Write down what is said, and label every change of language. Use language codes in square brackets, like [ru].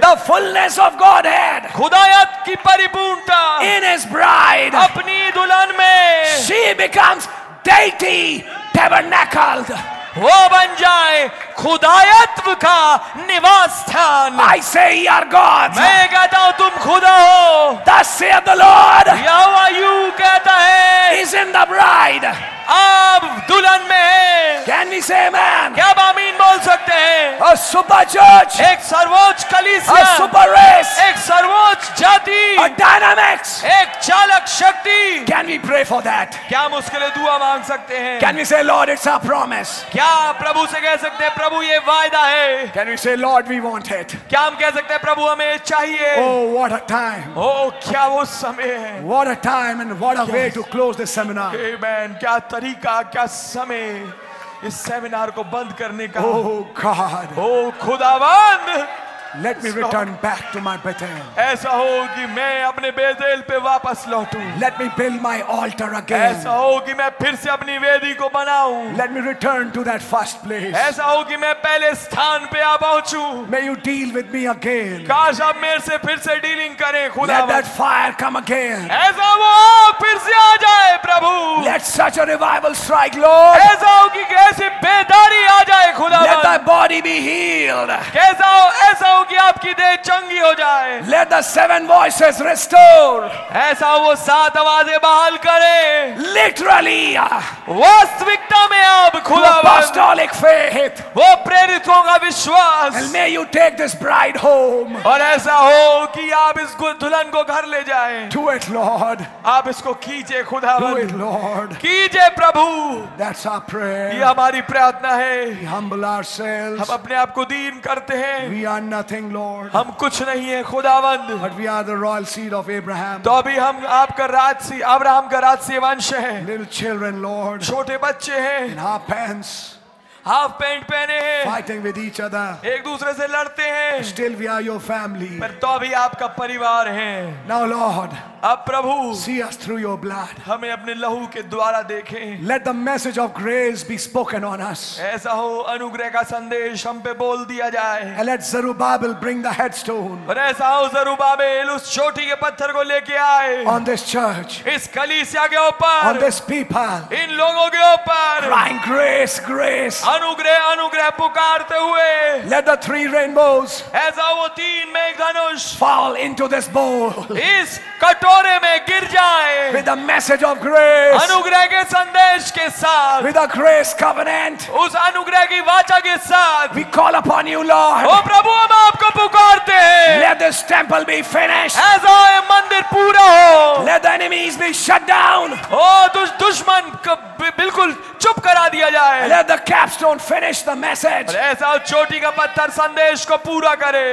[en] The fullness of Godhead. [hi] खुदायत की परिपूर्णता। [en] In His bride. [hi] अपनी दुल्हन में। [en] She becomes deity tabernacled. [hi] वो बन जाए खुदायत्व का निवास स्थान। [en] I say you are God. [hi] मैं कहता हूँ तुम खुदा हो। [en] Thus saith the Lord. [hi] यहोवा यूं कहता है। [en] He's in the bride. [hi] अब दुल्हन में है। [en] Can we say amen? [hi] क्या आमीन बोल सकते हैं? [en] A super church. [hi] एक सर्वोच्च कलीसिया। [en] A super race. [hi] एक सर्वोच्च जाति। [en] A dynamics. [hi] एक चालक शक्ति। [en] Can we pray for that? [hi] क्या हम उसके लिए दुआ मांग सकते हैं? [en] Can we say Lord, it's our promise? [hi] क्या प्रभु से कह सकते हैं प्रभु ये वायदा है? [en] Can we say Lord, we want it? [hi] क्या हम कह सकते हैं प्रभु हमें चाहिए? [en] Oh what a time! Oh [hi] क्या वो समय है? [en] What a time and what a way to close this seminar! Amen. [hi] क्या तरीका क्या समय इस सेमिनार को बंद करने का? [en] Oh God! Oh [hi] खुदावंद! [en] Let me return back to my Bethel. [hi] ऐसा हो कि मैं अपने बेतेल पे वापस लौटूं. [en] Let me build my altar again. [hi] ऐसा हो कि मैं फिर से अपनी वेदी को बनाऊं. [en] Let me return to that first place. [hi] ऐसा हो कि मैं पहले स्थान पे आ पहुंचूं. [en] May you deal with me again. [hi] काश आप मेरे से फिर से डीलिंग करें खुदा. [en] Let that fire come again. [hi] ऐसा वो फिर से आ जाए प्रभु. [en] Let such a revival strike, Lord. [hi] ऐसा हो कि कैसे बेदारी आ जाए खुदा. [en] Let thy body be healed. [hi] कैसा हो ऐसा कि आपकी देह चंगी हो जाए. [en] Let the seven voices restore. [hi] ऐसा वो सात आवाजें बहाल करे. [en] Literally. [hi] वास्तविकता में अब खुदा [en] वो apostolic faith. [hi] वो प्रेरितों का विश्वास. [en] And may you take this bride home. [hi] और ऐसा हो कि आप इस दुल्हन को घर ले जाए. [en] Do it, Lord. [hi] आप इसको कीजिए खुदावन. [en] Do it, Lord. [hi] कीजिए प्रभु. [en] That's our prayer. [hi] ये हमारी प्रार्थना है. [en] We humble ourselves. [hi] हम अपने आप को दीन करते हैं. [en] We are nothing, Lord. [hi] हम कुछ नहीं है खुदावंद. [en] But we are the royal seed of Abraham. [hi] तो अभी हम आपका राजसी अब्राहम का राजसी वंश है. [en] Little children, Lord. [hi] छोटे बच्चे हैं. [en] In halfpence. [hi] हाफ पैंट पहने हैं. [en] Fighting with each other. [hi] एक दूसरे से लड़ते हैं. [en] Still we are your family. [hi] पर तो अभी आपका परिवार है. [en] Now Lord. [hi] अब प्रभु. [en] See us through your blood. [hi] हमें अपने लहू के द्वारा देखें. [en] Let the message of grace be spoken on us. [hi] ऐसा हो अनुग्रह का संदेश हम पे बोल दिया जाए. [en] And let Zerubbabel bring the headstone. [hi] और ऐसा हो Zerubbabel उस चोटी के पत्थर को लेके आए. [en] On this church. [hi] इस कलीसिया के ऊपर. [en] On this people. [hi] इन लोगों के ऊपर. [en] Crying grace, grace. [hi] अनुग्रह अनुग्रह पुकारते हुए. [en] Let the three rainbows. [hi] ऐसा वो तीन मेघधनुष. [en] Fall into this bowl. [hi] इस कटोरे में गिर जाए. [en] With the message of grace. [hi] अनुग्रह के संदेश के साथ. [en] With the grace covenant. [hi] उस अनुग्रह की वाचा के साथ. [en] We call upon you, Lord. [hi] ओ प्रभु हम आपको पुकारते हैं. [en] Let this temple be finished. [hi] ऐसा ये मंदिर पूरा हो. [en] Let the enemies be shut down. [hi] ओ दुश्मन बिल्कुल चुप करा दिया जाए. [en] Let the capstone finish the message. [hi] ऐसा चोटी का पत्थर संदेश को पूरा करे.